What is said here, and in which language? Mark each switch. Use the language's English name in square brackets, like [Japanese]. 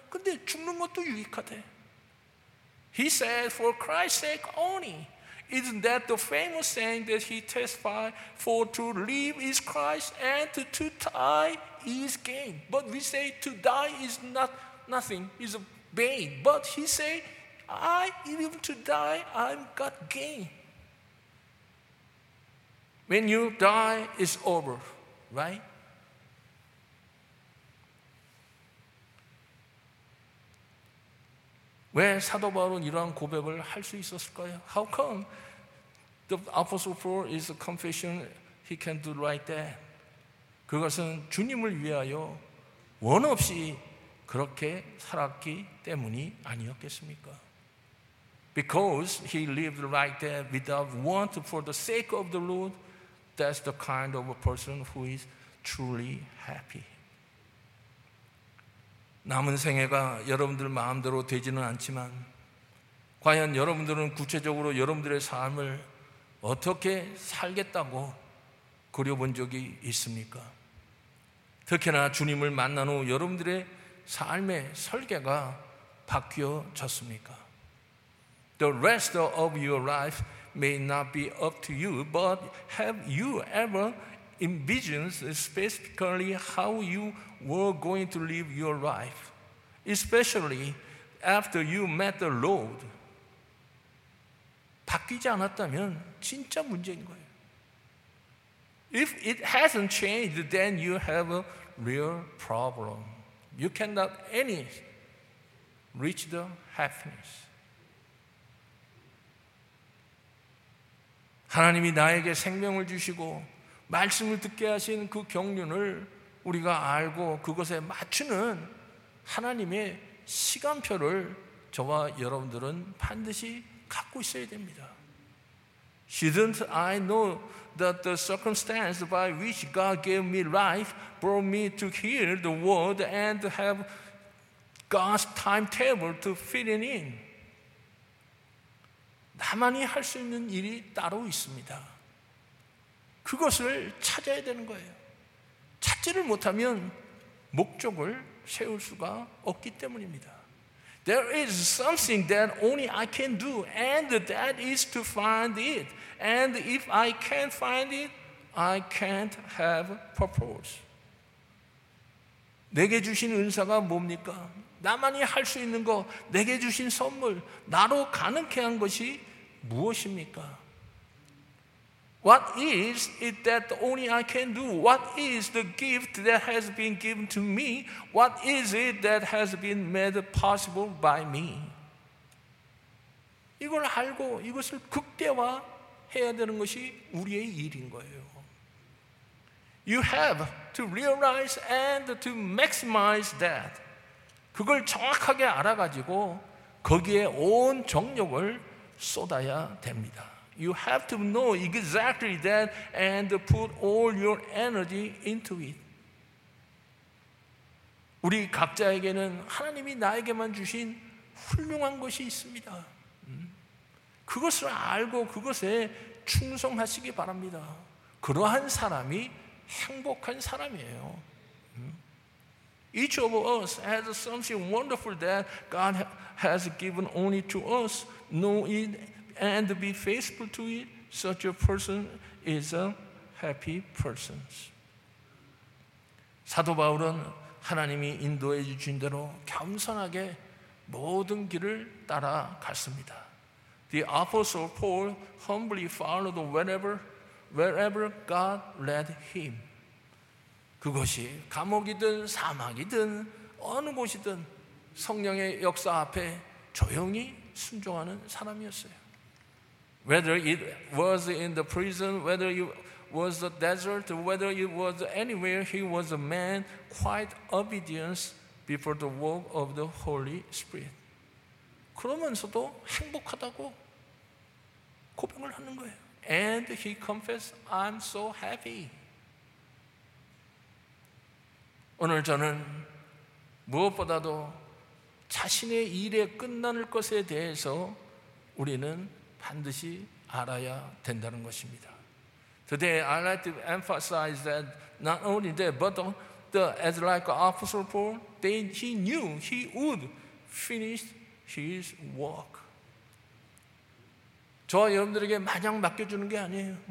[Korean] 그런데 죽는 것도 유익하되 [English] He said for Christ's sake only Isn't that the famous saying that he testified for to live is Christ and to die is gain But we say to die is not nothing is a vain But he said I even to die I've got gain When you die, it's over, right? [Korean] 왜 사도 바울은 이러한 고백을 할 수 있었을까요? [English] How come the apostle Paul is a confession he can do right there? [Korean] 그것은 주님을 위하여 원 없이 그렇게 살았기 때문이 아니었겠습니까? [English] Because he lived right there without want for the sake of the Lord. That's the kind of a person who is truly happy. [Korean] 남은 생애가 여러분들 마음대로 되지는 않지만 과연 여러분들은 구체적으로 여러분들의 삶을 어떻게 살겠다고 그려본 적이 있습니까? 특히나 주님을 만난 후 여러분들의 삶의 설계가 바뀌어졌습니까? [English] The rest of your life may not be up to you, but have you ever envisioned specifically how you were going to live your life, especially after you met the Lord? [Korean] 바뀌지 않았다면 진짜 문제인 거예요. [English] If it hasn't changed, then you have a real problem. You cannot any reach the happiness. [Korean] 하나님이 나에게 생명을 주시고 말씀을 듣게 하신 그 경륜을 우리가 알고 그것에 맞추는 하나님의 시간표를 저와 여러분들은 반드시 갖고 있어야 됩니다. [English] Shouldn't I know that the circumstance by which God gave me life brought me to hear the word and have God's timetable to fit it in? [Korean] 나만이 할 수 있는 일이 따로 있습니다. 그것을 찾아야 되는 거예요. 찾지를 못하면 목적을 세울 수가 없기 때문입니다. [English] There is something that only I can do, and that is to find it. And if I can't find it, I can't have purpose. [Korean] 내게 주신 은사가 뭡니까? 나만이 할 수 있는 거, 내게 주신 선물, 나로 가능케 한 것이 무엇입니까? [English] What is it that only I can do? What is the gift that has been given to me? What is it that has been made possible by me? [Korean] 이걸 알고 이것을 극대화해야 되는 것이 우리의 일인 거예요. [English] You have to realize and to maximize that. [Korean] 그걸 정확하게 알아가지고 거기에 온 정력을 쏟아야 됩니다. [English] You have to know exactly that and put all your energy into it. [Korean] 우리 각자에게는 하나님이 나에게만 주신 훌륭한 것이 있습니다. 그것을 알고 그것에 충성하시기 바랍니다. 그러한 사람이 행복한 사람이에요. [English] Each of us has something wonderful that God has given only to us. Know it and be faithful to it. Such a person is a happy person. [Korean] 사도 바울은 하나님이 인도해 주신 대로 겸손하게 모든 길을 따라갔습니다. [English] The apostle Paul humbly followed wherever God led him. [Korean] 그것이 감옥이든 사막이든 어느 곳이든 성령의 역사 앞에 조용히 순종하는 사람이었어요. [English] Whether it was in the prison, whether it was the desert, whether it was anywhere, he was a man quite obedient before the work of the Holy Spirit. [Korean] 그러면서도 행복하다고 고백을 하는 거예요. [English] And he confessed, I'm so happy. [Korean] 오늘 저는 무엇보다도 자신의 일에 끝날 것에 대해서 우리는 반드시 알아야 된다는 것입니다. [English] Today I'd like to emphasize that not only that, but as like Apostle Paul, he knew he would finish his work. [Korean] 저와 여러분들에게 마냥 맡겨주는 게 아니에요.